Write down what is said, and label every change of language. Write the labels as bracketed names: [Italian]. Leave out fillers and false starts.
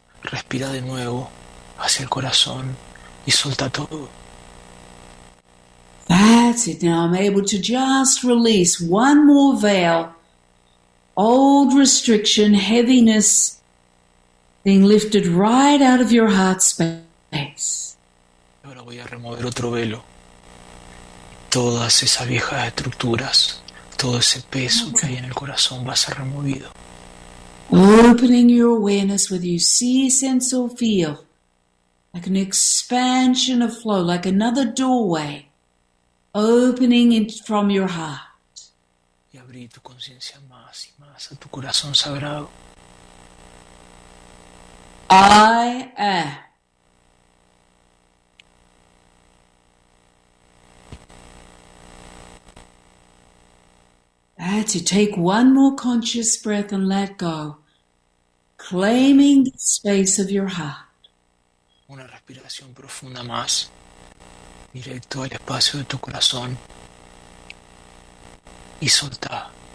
[Spanish] Respira de nuevo hacia el corazón y suelta todo. [English] That's it. Now I'm able to just release one more veil. Old restriction, heaviness being lifted right out of your heart space. [Spanish] Ahora voy a remover otro velo. Todas esas viejas estructuras, todo ese peso que hay en el corazón va a ser removido. [English] Opening your awareness, whether you see, sense, or feel, like an expansion of flow, like another doorway, opening it from your heart. [Spanish] Y abrí tu conciencia más y más a tu corazón sagrado. [English] I am. That's it. Take one more conscious breath and let go, claiming the space of your heart. [Spanish] Una respiración profunda más, directo al espacio de tu corazón, y solta.